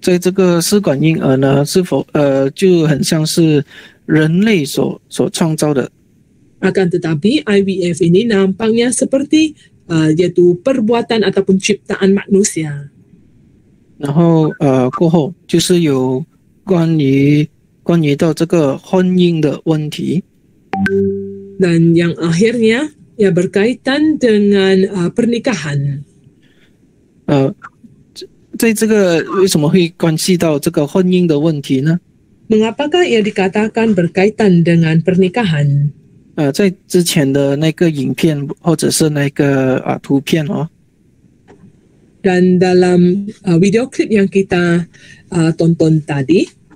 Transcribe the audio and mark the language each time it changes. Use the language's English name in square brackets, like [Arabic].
[Chinese] 在这个试管婴儿呢，是否就很像是人类所创造的？ [Malay] Akan tetapi IVF ini nampaknya seperti yaitu perbuatan ataupun ciptaan manusia. [Chinese] 然后过后就是有关于到这个婚姻的问题。 [Malay] Dan yang akhirnya ya berkaitan dengan pernikahan. [Chinese] 在这个为什么会关系到这个婚姻的问题呢？ [Malay] Mengapakah ia dikatakan berkaitan dengan pernikahan？ [Chinese] 在之前的那个影片或者是那个图片哦。 [Malay] Dan dalam video clip yang kita tonton tadi。